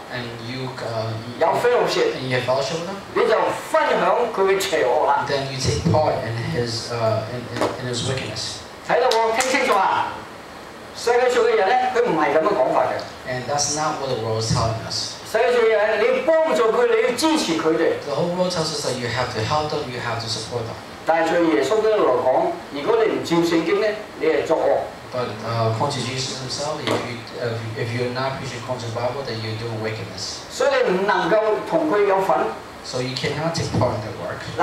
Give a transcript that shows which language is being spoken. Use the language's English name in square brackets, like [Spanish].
[English] and you fellowship, and you have fellowship with him, then you take part in his wickedness. [Chinese] 看到我,听清楚啊? [English] And that's not what the world is telling us. [Chinese] 所以你要幫助他們,你要支持他們。 [English] The whole world tells us that you have to help them, you have to support them. [Chinese] 但是耶穌來說,如果你不照聖經,你是作惡。 [English] But according to Jesus himself, if you're not preaching according to the Bible, then you're doing wickedness. [Chinese] 所以你不能夠跟他有份。 [English] So you cannot take part in the work.